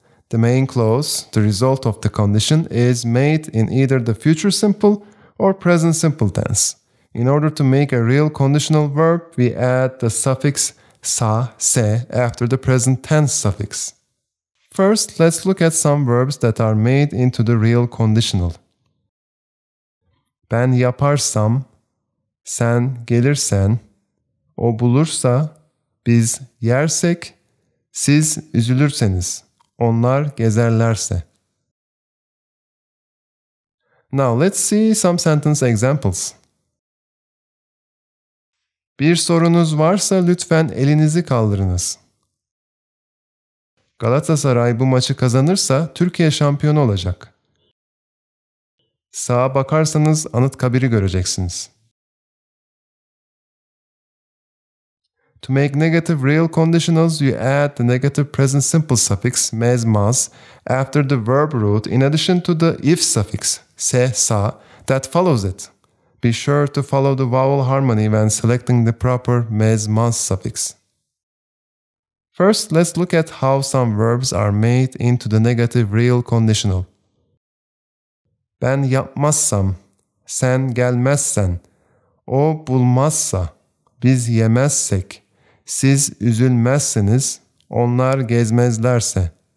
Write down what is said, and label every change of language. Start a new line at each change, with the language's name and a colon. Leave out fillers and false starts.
English: The main clause, the result of the condition, is made in either the future simple or present simple tense. In order to make a real conditional verb, we add the suffix sa, se after the present tense suffix. First, let's look at some verbs that are made into the real conditional.
Turkish: Ben yaparsam, sen gelirsen, o bulursa, biz yersek, siz üzülürseniz. Onlar gezerlerse.
English: Now let's see some sentence examples.
Turkish: Bir sorunuz varsa lütfen elinizi kaldırınız. Galatasaray bu maçı kazanırsa Türkiye şampiyonu olacak. Sağa bakarsanız Anıtkabir'i göreceksiniz.
English: To make negative real conditionals, you add the negative present simple suffix mez, maz after the verb root in addition to the if suffix se, sa that follows it. Be sure to follow the vowel harmony when selecting the proper mez, maz suffix. First, let's look at how some verbs are made into the negative real conditional.
Turkish: Ben yapmazsam, sen gelmezsen, o bulmazsa, biz yemezsek, siz üzülmezsiniz, onlar gezmezlerse.